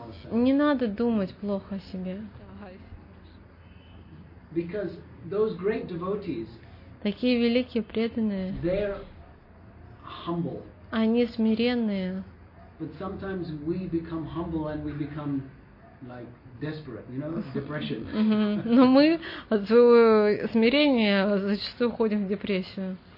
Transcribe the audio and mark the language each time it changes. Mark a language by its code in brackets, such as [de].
[ru] Не надо думать плохо о себе. [en] Because those great devotees, [ru] такие великие преданные, [en] their humble. [ru] Они смиренные. [en] But sometimes we become humble and we become like desperate, you know, depression. [ru] Но мы от своего смирения зачастую уходим в депрессию.